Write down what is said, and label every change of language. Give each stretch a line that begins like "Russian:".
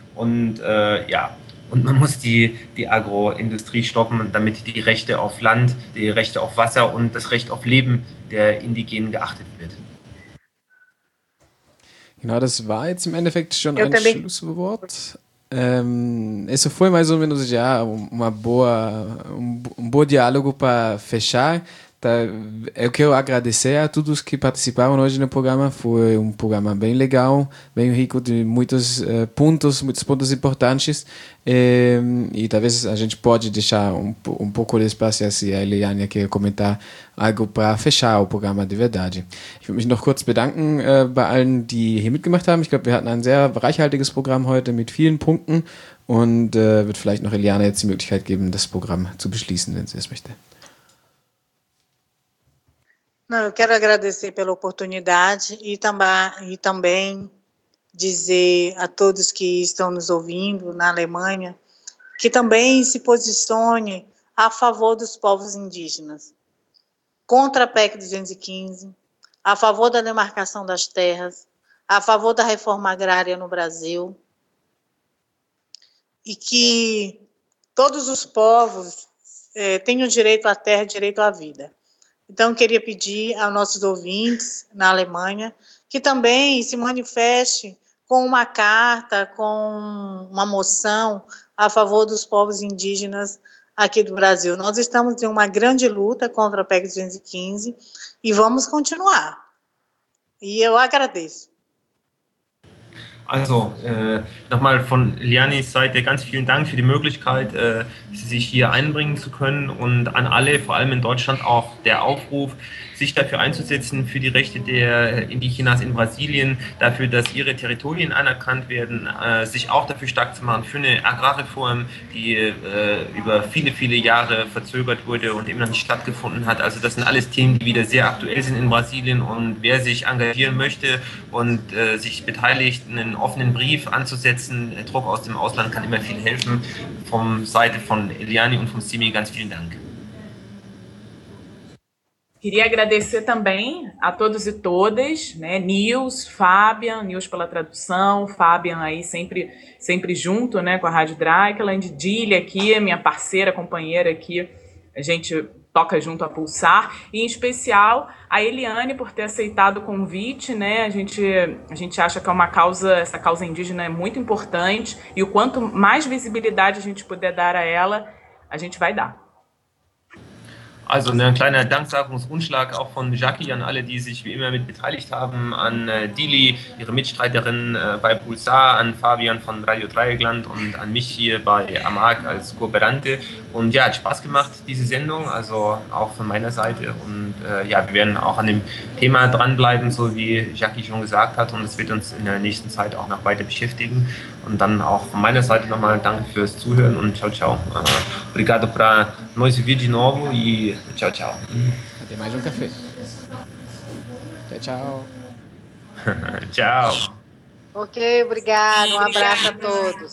German: Und und man muss die Agroindustrie stoppen, damit die Rechte auf Land, die Rechte auf Wasser und das Recht auf Leben der Indigenen geachtet wird. Genau, das war jetzt im Endeffekt schon ein Schlusswort.
Portuguese: Isso foi mais ou menos já um bom diálogo para fechar. Tá, eu quero agradecer a todos que participaram hoje no programa, foi um programa bem legal, bem rico de muitos pontos importantes, e talvez a gente pode deixar um pouco de espaço, se a Eliane quer comentar algo para fechar o programa de verdade.
German: Ich will mich noch kurz bedanken bei allen, die hier mitgemacht haben. Ich glaube, wir hatten ein sehr reichhaltiges Programm heute mit vielen Punkten und wird vielleicht noch Eliane jetzt die Möglichkeit geben, das Programm zu beschließen, wenn sie es möchte.
Portuguese: Não, eu quero agradecer pela oportunidade e também dizer a todos que estão nos ouvindo na Alemanha que também se posicione a favor dos povos indígenas, contra a PEC 215, a favor da demarcação das terras, a favor da reforma agrária no Brasil, e que todos os povos tenham direito à terra e direito à vida. Então, queria pedir aos nossos ouvintes na Alemanha que também se manifeste com uma carta, com uma moção a favor dos povos indígenas aqui do Brasil. Nós estamos em uma grande luta contra a PEC 215 e vamos continuar. E eu agradeço.
German: Also, nochmal von Lianis Seite ganz vielen Dank für die Möglichkeit, sich hier einbringen zu können und an alle, vor allem in Deutschland, auch der Aufruf, sich dafür einzusetzen, für die Rechte der Indigenas in Brasilien, dafür, dass ihre Territorien anerkannt werden, sich auch dafür stark zu machen für eine Agrarreform, die über viele, viele Jahre verzögert wurde und immer noch nicht stattgefunden hat. Also das sind alles Themen, die wieder sehr aktuell sind in Brasilien und wer sich engagieren möchte und sich beteiligt, einen einen offenen Brief anzusetzen. Druck aus dem Ausland kann immer viel helfen. Von Seite von Eliane und von Simi ganz vielen Dank.
Portuguese: Queria agradecer também a todos e todas, né? Nils, Fabian, Nils pela tradução, Fabian aí sempre junto, né, com a Rádio Draikland, Dili aqui, minha parceira, companheira aqui, a gente toca junto a Pulsar, e em especial a Eliane por ter aceitado o convite, né? A gente acha que é uma causa, essa causa indígena é muito importante, e o quanto mais visibilidade a gente puder dar a ela, a gente vai dar.
German: Also ein kleiner Danksagungsrundschlag auch von Jackie an alle, die sich wie immer mit beteiligt haben, an Dili, ihre Mitstreiterin bei Pulsar, an Fabian von Radio Dreieckland und an mich hier bei Amag als Kooperante. Und ja, hat Spaß gemacht, diese Sendung, also auch von meiner Seite. Und ja, wir werden auch an dem Thema dranbleiben, so wie Jackie schon gesagt hat. Und es wird uns in der nächsten Zeit auch noch weiter beschäftigen. Und dann auch von meiner Seite nochmal danke fürs Zuhören und ciao, ciao.
Portuguese: Obrigado para nós vir de novo e ciao, ciao. Até mais café. Tchau, tchau. Tchau. Ok, obrigado. Um abraço a todos.